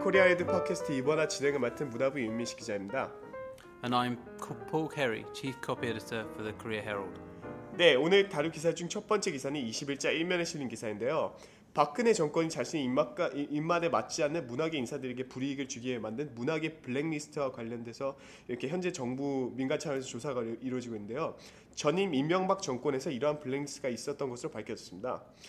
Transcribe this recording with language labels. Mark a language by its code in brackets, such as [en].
[ko] 코리아 헤드 팟캐스트 이번화 진행을 맡은 문화부 윤민식 기자입니다. [en] And I'm Paul Carey, Chief Copy Editor for the Korea Herald. [ko] 네, 오늘 다룰 기사 중 첫 번째 기사는 21자 1면에 실린 기사인데요. 박근혜 정권이 자신의 입맛에 맞지 않는 문학의 인사들에게 불이익을 주기 위해 만든 문학의 블랙리스트와 관련돼서 이렇게 현재 정부 민간 차원에서 조사가 이루어지고 있는데요. 전임 이명박 정권에서 이러한 블랙리스트가 있었던 것으로 밝혀졌습니다.